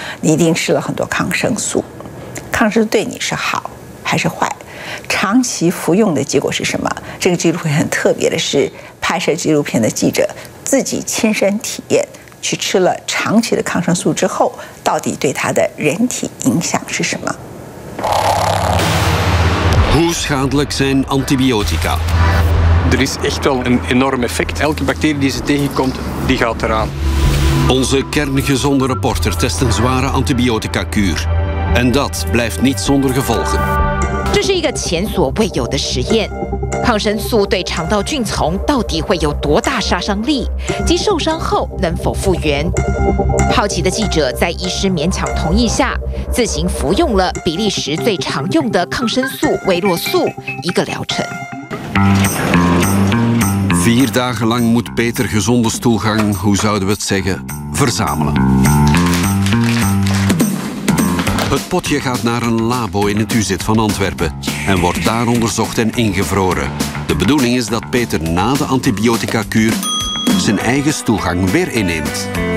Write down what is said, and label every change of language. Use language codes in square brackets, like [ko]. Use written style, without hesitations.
[zh] 你一定吃了很多抗生素，抗生素对你是好还是坏？长期服用的结果是什么？这个纪录片很特别的是，拍摄纪录片的记者自己亲身体验，去吃了长期的抗生素之后，到底对他的人体影响是什么？ [nl] Hoe schadelijk zijn antibiotica? Er is echt wel een enorm effect. Elke bacterie die ze tegenkomt, die gaat eraan. Onze kerngezonde reporter test een zware antibiotica-kuur. En dat blijft niet zonder gevolgen. Dit is een [zh] 前所未有的实验。抗生素对肠道菌丛到底会有多大杀伤力，及受伤后能否复原？好奇的记者在医师勉强同意下，自行服用了比利时最常用的抗生素维洛素一个疗程。 [nl] Vier dagen lang moet Peter gezonde stoelgang, hoe zouden we het zeggen, verzamelen. Het potje gaat naar een labo in het UZ van Antwerpen en wordt daar onderzocht en ingevroren. De bedoeling is dat Peter na de antibiotica-kuur zijn eigen stoelgang weer inneemt.